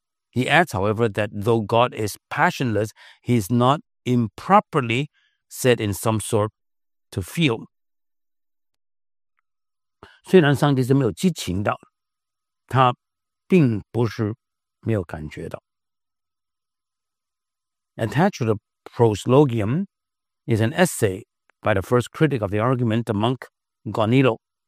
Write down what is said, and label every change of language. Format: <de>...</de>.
<en>He adds, however, that though God is passionless, he is not improperly said in some sort to feel.</en> <zh>虽然上帝是没有激情的,他并不是没有感觉的。</zh> <en>Attached to the proslogium is an essay by the first critic of the argument, the monk Gonillo.</en>